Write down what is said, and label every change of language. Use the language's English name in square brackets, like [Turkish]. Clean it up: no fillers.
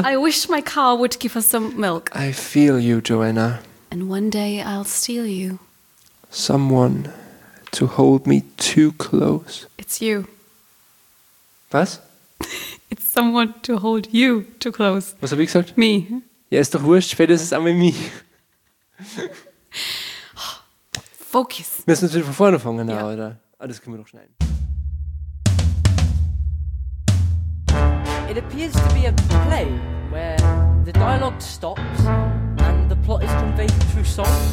[English] I wish my car would give us some milk. I feel you, Joanna. And one day I'll steal you. Someone to hold me too close. It's you. [German] Was? [English] It's someone to hold you too close. [German] Was habe ich gesagt? [English] Me. [German] Ja, ist doch wurscht, spätestens einmal me. [English] Focus. [German] Wir müssen natürlich von vorne fangen, genau, ja. Oder? Ah, das können wir doch schneiden. [English] It appears to be a play where the dialogue stops and the plot is conveyed through song.